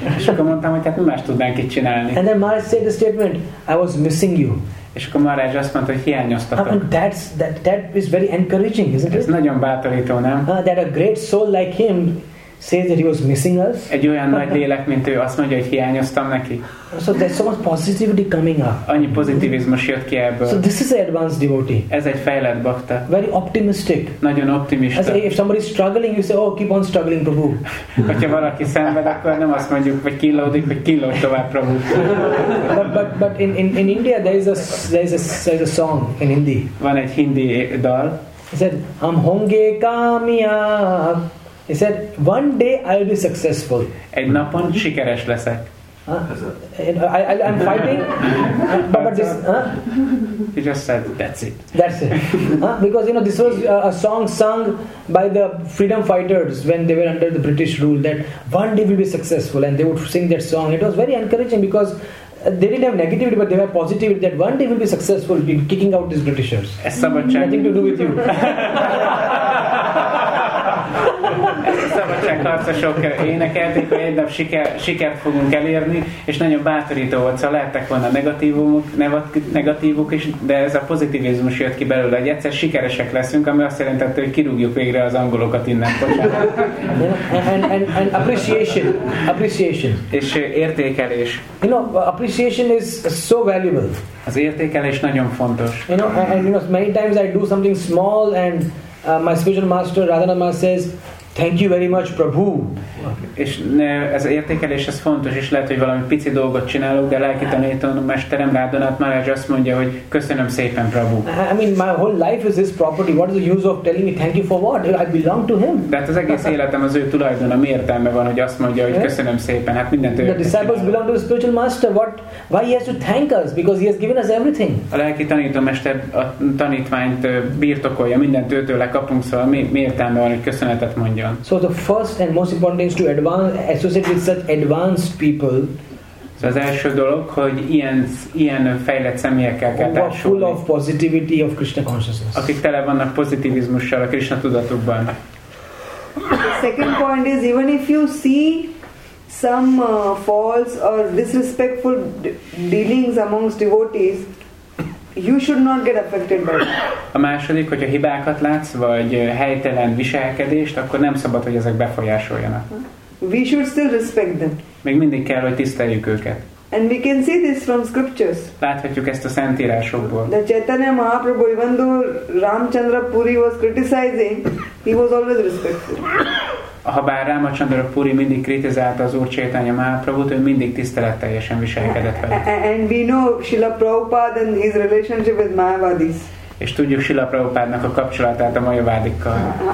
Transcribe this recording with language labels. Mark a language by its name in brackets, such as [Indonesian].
[Hungarian] És akkor mondtam, hogy hát mi más tudnánk itt csinálni? [English] And then Maharaj said the statement, I was missing you. [Hungarian] És akkor Maharaj azt mondta, hogy hiányoztatok. [English] That is very encouraging, isn't it? [Hungarian] Ez nagyon bátorító, nem? [English] That a great soul like him says that he was missing us. [Hungarian] Egy olyan nagy lélek, mint ő, azt mondja, hogy hiányoztam neki. [English] So there's so much positivity coming up. [Hungarian] Annyi pozitivizmus jött ki ebből. [English] So this is an advanced devotee. [Hungarian] Ez egy fejlett bhakta. [English] Very optimistic. [Hungarian] Nagyon optimista. [English] As if somebody is struggling, you say, oh, keep on struggling, Prabhu. [Hungarian] Hogyha valaki szenved, akkor nem azt mondjuk, hogy kínlódik, vagy kínlódj tovább, Prabhu. [English] But in India there is a song in Hindi. [Hungarian] Van egy hindi dal. [English] He said, [Hindi] "Hum honge kamyab." [English] He said, "One day I'll be successful." [Hungarian] Egy napon sikeres leszek. [English] I'm fighting, but this. He just said, "That's it." That's it. Because you know, this was a song sung by the freedom fighters when they were under the British rule. That one day we'll be successful, and they would sing that song. It was very encouraging because they didn't have negativity, but they were positive that one day we'll be successful in kicking out these Britishers. Nothing to do with you. [Hungarian] Szabadságharcosok énekelték, hogy egy nap sikert fogunk elérni, és nagyon bátorító volt, szóval lehettek volna negatívuk is, de ez a pozitivizmus jött ki belőle, hogy egyszer sikeresek leszünk, ami azt jelentette, hogy kirúgjuk végre az angolokat innen, bocsánat. [English] And appreciation. [Hungarian] És értékelés. [English] You know, appreciation is so valuable. [Hungarian] Az értékelés nagyon fontos. [English] You know, many times I do something small and my spiritual master Radhanama says, thank you very much, Prabhu. [Hungarian] És ez értékelés, ez fontos, és lehet, hogy valami pici dolgot csinálok, de lelki tanítónak mesterem Radhanath Maharaj azt mondja, hogy köszönöm szépen, Prabhu. [English] I mean, my whole life is his property. What is the use of telling me thank you for what? I belong to him. [Hungarian] De hát az egész életem az ő tulajdona. Mi értelme van, hogy azt mondja, hogy köszönöm szépen? Hát mindent ő. [English] The disciples belong to the spiritual master. What? Why he has to thank us? Because he has given us everything. [Hungarian] A lelki tanítómester a tanítványt birtokolja, mindent őtől lekapunk, szóval mi értelme van, hogy köszönetet mondja? [English] So the first and most important thing is to advance, associate with such advanced people. [Hungarian] So az első dolog, hogy ilyen fejlett személyekkel kell társulni. [English] Full of positivity of Krishna consciousness. [Hungarian] Akik tele vannak pozitivizmussal a Krishna tudatukban. [English] The second point is, even if you see some false or disrespectful dealings amongst devotees, you should not get affected by it. [Hungarian] A második, hogyha hibákat látsz, vagy helytelen viselkedést, akkor nem szabad, hogy ezek befolyásoljanak. [English] We should still respect them. [Hungarian] Még mindig kell, hogy tiszteljük őket. [English] And we can see this from scriptures. [Hungarian] Láthatjuk ezt a szentírásokból. [English] The Chaitanya Mahaprabhu, even though Ramchandra Puri was criticizing, he was always respectful. [Hungarian] Habár Ramachandra Puri mindig kritizálta az Úr Chaitanya Mahaprabhut, ő mindig tiszteletteljesen viselkedett vele. [English] And we know Srila Prabhupada and his relationship with Mayavadis. [Hungarian] És tudjuk Srila Prabhupádnak a kapcsolatát a Mayavadikkal.